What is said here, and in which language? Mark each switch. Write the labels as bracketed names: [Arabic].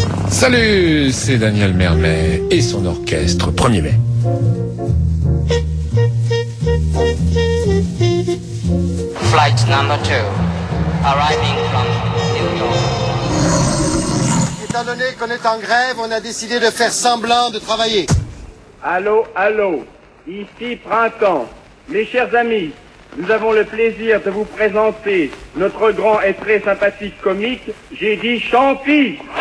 [French] Salut, c'est Daniel Mermet et son orchestre 1er mai. [English] Flight number 2, arriving from New York. [French] Étant donné qu'on est en grève, on a décidé de faire semblant de travailler. Allô, allô, ici Printemps. Mes chers amis, nous avons le plaisir de vous présenter notre grand et très sympathique comique, j'ai dit Champy.